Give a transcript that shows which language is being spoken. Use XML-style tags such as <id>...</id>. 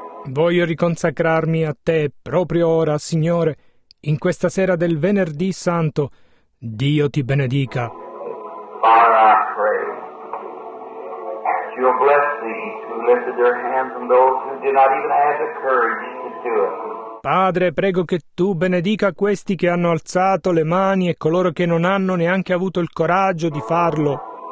<it>Voglio riconsacrarmi a te proprio ora, Signore, in questa sera del Venerdì Santo. Dio ti benedica.</it> <en>Father, I pray that you'll bless these who lifted their hands from those who did not even have the courage to do it.</en> <it>Padre, prego che tu benedica questi che hanno alzato le mani e coloro che non hanno neanche avuto il coraggio di farlo.</it>